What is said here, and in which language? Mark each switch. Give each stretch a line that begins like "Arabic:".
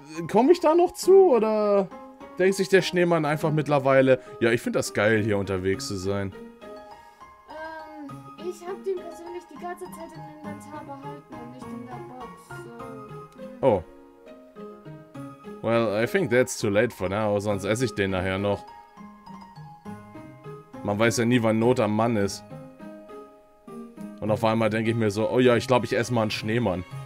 German: Komm ich da noch zu, oder denkt sich der Schneemann einfach mittlerweile, ja, ich finde das geil, hier unterwegs zu sein? Ich hab den persönlich die ganze Zeit im Inventar behalten und nicht in der Box. Oh.
English: Well, I think that's too late for now,
German: sonst esse ich den nachher noch. Man weiß ja nie, wann Not am Mann ist. Und auf einmal denke ich mir so, oh ja, ich glaube, ich esse mal einen Schneemann.